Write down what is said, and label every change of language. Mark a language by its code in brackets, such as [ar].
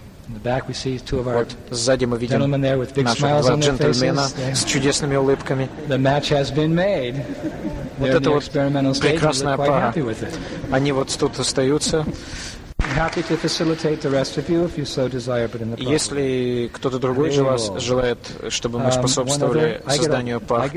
[en] In the back we see two of our [ru] сзади мы видим [en] gentlemen there with big smiles on their faces. [ru] С чудесными улыбками. [en] The match has been made. [ru] Вот это вот прекрасная пара. Они вот тут остаются. [en] Happy to facilitate the rest of you if you so desire, but in the process. [ru] Если кто-то другой из вас желает, чтобы мы способствовали созданию пар,